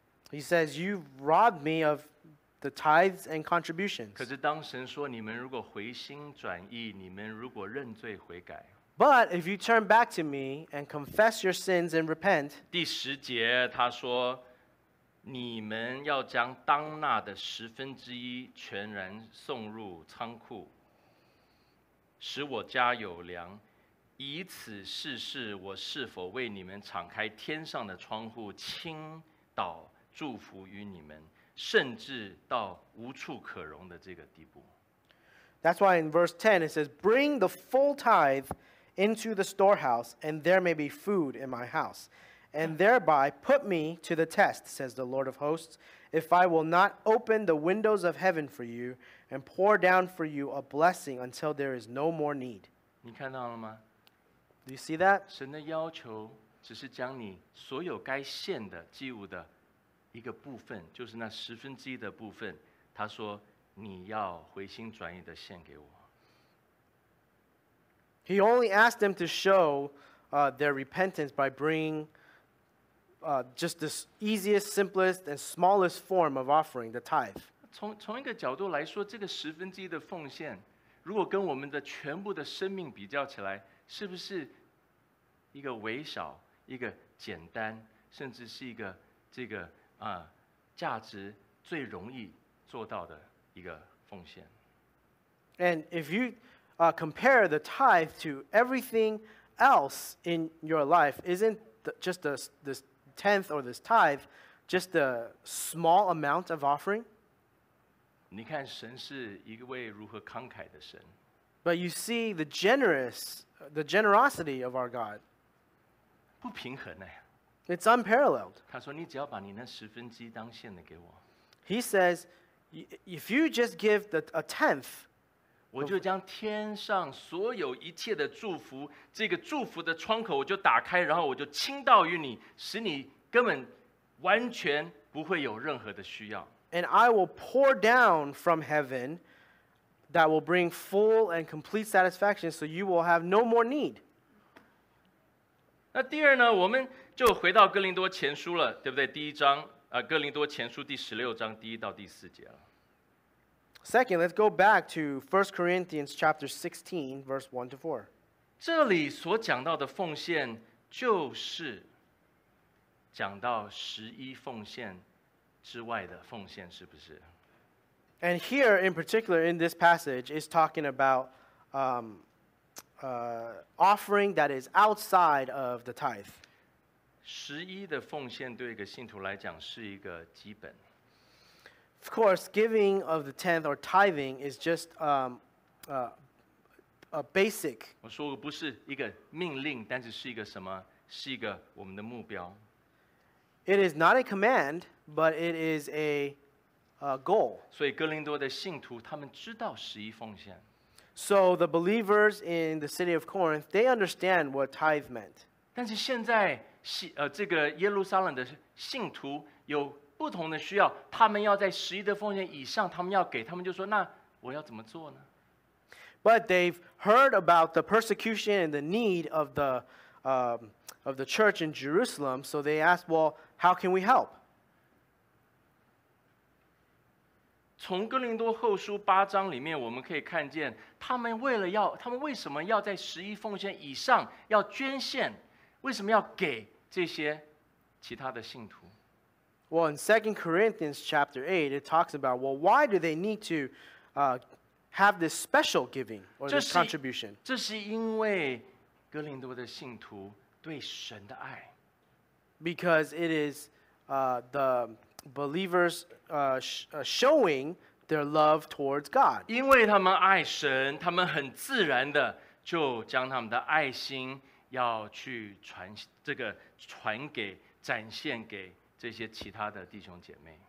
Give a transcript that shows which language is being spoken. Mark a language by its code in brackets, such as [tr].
[en] He says, you robbed me of the tithes and contributions. [zh] 可是当神说你们如果回心转意，你们如果认罪悔改， [en] But if you turn back to me and confess your sins and repent, [zh] 第十节他说你们要将当纳的十分之一全然送入仓库，使我家有粮，以此试试我是否为你们敞开天上的窗户，倾倒祝福于你们，甚至到无处可容的这个地步。 [en] That's why in verse 10 it says, Bring the full tithe into the storehouse, and there may be food in my house. And thereby put me to the test, says the Lord of hosts, if I will not open the windows of heaven for you and pour down for you a blessing until there is no more need. [zh] 你看到了吗？ [en] Do you see that? [zh] 神的要求只是将你所有该献的祭物的一个部分，就是那十分之一的部分，他说你要回心转意的献给我。 [en] He only asked them to show their repentance by bringing just the easiest, simplest, and smallest form of offering, the tithe. [zh] 从一个角度来说，这个十分之一的奉献，如果跟我们的全部的生命比较起来，是不是一个微小，一个简单，甚至是一个这个价值最容易做到的一个奉献？ [en] And if you compare the tithe to everything else in your life, isn't just this tenth or this tithe just a small amount of offering? [zh] 你看神是一位如何慷慨的神。 [en] But you see the generosity of our God. [zh] 不平衡哎。 [en] It's unparalleled. [zh] 他说你只要把你那十分之一当献的给我。 [en] He says, if you just give a tenth, [zh] 我就将天上所有一切的祝福，这个祝福的窗口我就打开，然后我就倾倒于你，使你根本完全不会有任何的需要。 [en] And I will pour down from heaven that will bring full and complete satisfaction so you will have no more need. [zh] 那第二呢，我们就回到哥林多前书了，对不对？第一章，哥林多前书第十六章第一到第四节了。 [en] Second, let's go back to 1 Corinthians chapter 16, verse 1 to 4. [zh] 这里所讲到的奉献就是讲到十一奉献之外的奉献，是不是？ [en] And here in particular in this passage is talking about offering that is outside of the tithe. [zh] 十一的奉献对一个信徒来讲是一个基本。 [en] Of course, giving of the tenth or tithing is just a basic. [zh] 我说不是一个命令，但是是一个什么？是一个我们的目标。 [en] It is not a command, but it is a goal. [zh] 所以哥林多的信徒他们知道十一奉献。 [en] So the believers in the city of Corinth, they understand what tithe meant. [zh] 但是现在这个耶路撒冷的信徒有不同的需要，他们要在十一的奉献以上，他们要给，他们就说那我要怎么做呢？ [en] But they've heard about the persecution and the need of the church in Jerusalem, so they asked, well, how can we help? [zh] 从哥林多后书八章里面我们可以看见，他们为什么要在十一奉献以上要捐献，为什么要给这些其他的信徒？ [en] Well, in 2 Corinthians chapter 8, it talks about, well, why do they need to have this special giving or this contribution? [zh] 这是因为哥林多的信徒对神的爱。 [en] Because it is the believers showing their love towards God. [zh] 因为他们爱神，他们很自然的就将他们的爱心要去传给，展现给这些其他的弟兄姐妹。